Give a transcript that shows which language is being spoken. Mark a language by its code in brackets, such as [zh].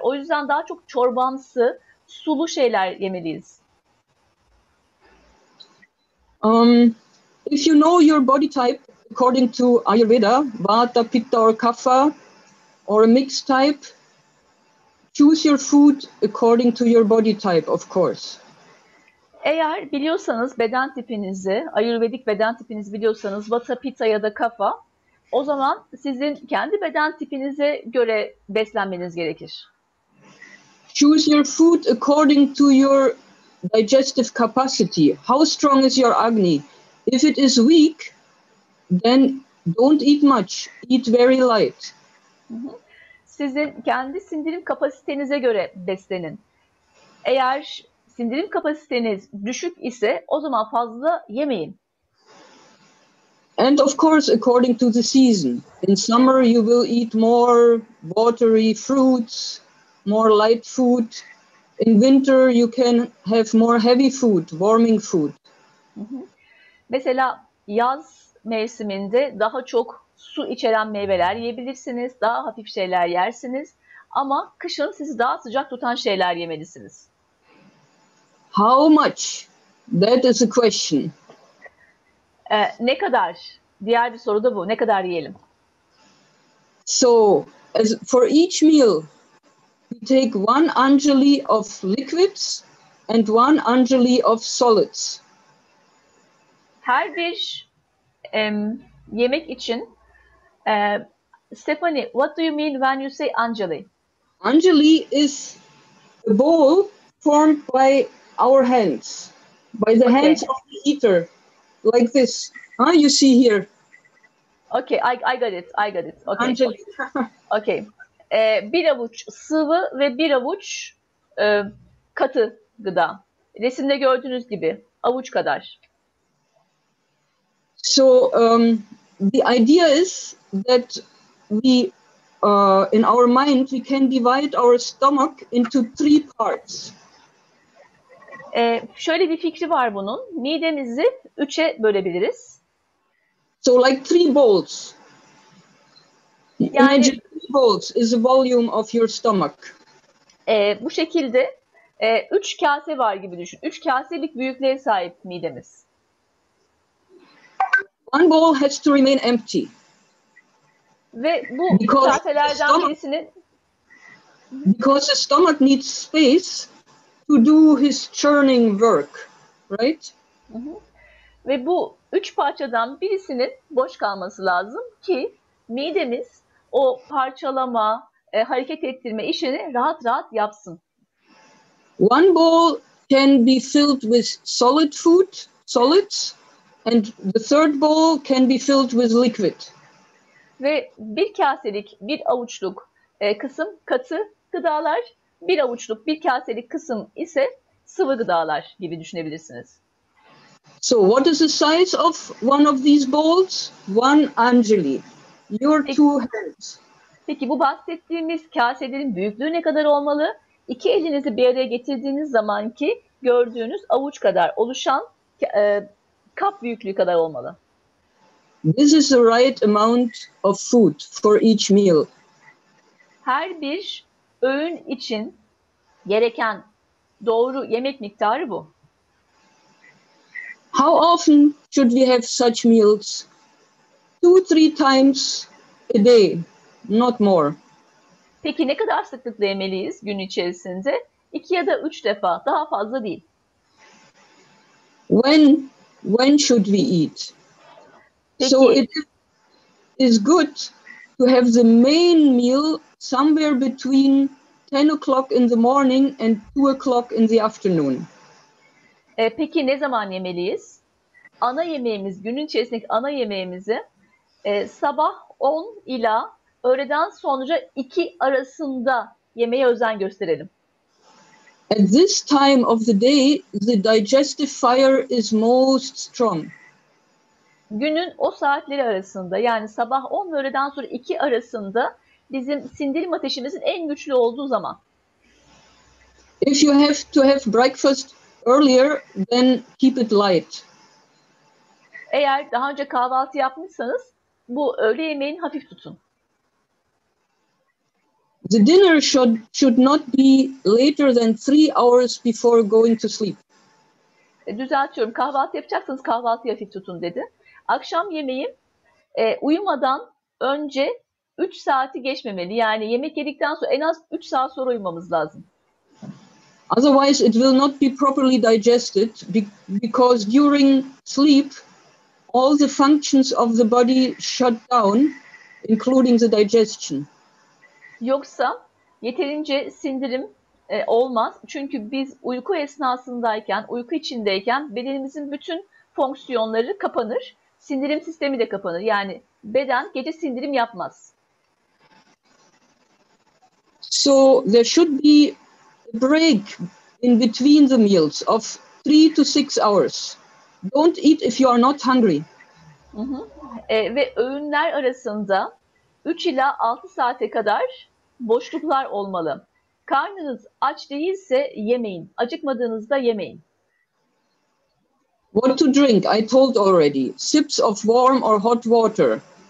[tr] O yüzden daha çok çorbamsı, sulu şeyler yemeliyiz. [en] If you know your body type according to Ayurveda, Vata, Pitta or Kapha or a mixed type, choose your food according to your body type, of course. [tr] Eğer biliyorsanız beden tipinizi, ayurvedik beden tipinizi biliyorsanız, vata, pita ya da kafa, o zaman sizin kendi beden tipinize göre beslenmeniz gerekir. [en] Choose your food according to your digestive capacity. How strong is your agni? If it is weak, then don't eat much. Eat very light. [tr] Sizin kendi sindirim kapasitenize göre beslenin. Eğer sindirim kapasiteniz düşük ise o zaman fazla yemeyin. [en] And of course according to the season. In summer you will eat more watery fruits, more light food. In winter you can have more heavy food, warming food. [tr] Mesela yaz mevsiminde daha çok su içeren meyveler yiyebilirsiniz, daha hafif şeyler yersiniz ama kışın sizi daha sıcak tutan şeyler yemelisiniz. [en] How much? That is a question. [tr] Ne kadar? Diğer bir soru da bu. Ne kadar yiyelim? [en] So, as for each meal, we take 1 anjali of liquids and 1 anjali of solids. [tr] Her bir yemek için [en] Stephanie, what do you mean when you say anjali? Anjali is a bowl formed by our hands, by the hands of the eater, like this. Huh? You see here. Okay, I got it. Okay. Okay. [tr] Bir avuç sıvı ve bir avuç katı gıda. Resimde gördüğünüz gibi avuç kadar. [en] So the idea is that we in our mind we can divide our stomach into three parts. [tr] Şöyle bir fikri var bunun. Midemizi üçe bölebiliriz. [en] So like three bowls. Yani, imagine three bowls is the volume of your stomach. [tr] Bu şekilde üç kase var gibi düşün. Üç kaselik büyüklüğe sahip midemiz. [en] One bowl has to remain empty. [tr] Ve bu kaselerden birisinin... [en] Because the stomach needs space to do his churning work, right? [tr] Ve bu üç parçadan birisinin boş kalması lazım ki midemiz o parçalama, hareket ettirme işini rahat rahat yapsın. [en] One bowl can be filled with solid food, solids, and the third bowl can be filled with liquid. [tr] Ve bir kaselik, bir avuçluk kısım katı gıdalar, bir avuçluk, bir kaselik kısım ise sıvı gıdalar gibi düşünebilirsiniz. [en] So what is the size of one of these bowls? One Anjali. Your two hands. [tr] Peki bu bahsettiğimiz kaselerin büyüklüğü ne kadar olmalı? İki elinizi bir araya getirdiğiniz zaman ki gördüğünüz avuç kadar oluşan kap büyüklüğü kadar olmalı. [en] This is the right amount of food for each meal. [tr] Her bir öğün için gereken doğru yemek miktarı bu. [en] How often should we have such meals? 2-3 times a day, not more. [tr] Peki ne kadar sıklıkla yemeliyiz gün içerisinde? 2 ya da 3 defa, daha fazla değil. [en] When should we eat? [tr] Peki. [en] So it is good to have the main meal somewhere between 10 o'clock in the morning and 2 o'clock in the afternoon. [tr] Peki ne zaman yemeliyiz? Ana yemeğimiz, günün içerisindeki ana yemeğimizi sabah 10 ila öğleden sonra 2 arasında yemeye özen gösterelim. [en] At this time of the day, the digestive fire is most strong. [tr] Günün o saatleri arasında, yani sabah 10 ve öğleden sonra 2 arasında bizim sindirim ateşimizin en güçlü olduğu zaman. [en] If you have to have breakfast earlier, then keep it light. [tr] Eğer daha önce kahvaltı yapmışsanız, bu öğle yemeğini hafif tutun. [en] The dinner should not be later than 3 hours before going to sleep. [tr] Düzeltiyorum. Kahvaltı yapacaksanız kahvaltıyı hafif tutun dedi. Akşam yemeğim uyumadan önce 3 saati geçmemeli. Yani yemek yedikten sonra en az 3 saat sonra uyumamız lazım. [en] Otherwise it will not be properly digested because during sleep all the functions of the body shut down including the digestion. [tr] Yoksa yeterince sindirim olmaz. Çünkü biz uyku esnasındayken, uyku içindeyken bedenimizin bütün fonksiyonları kapanır. Sindirim sistemi de kapanır. Yani beden gece sindirim yapmaz. [en] So there should be a break in between the meals of 3-6 hours. Don't eat if you are not hungry. [tr] Ve öğünler arasında 3 ila 6 saate kadar boşluklar olmalı. Karnınız aç değilse yemeyin. Acıkmadığınızda yemeyin. [en] What to drink? I told already. Sips of warm or hot water.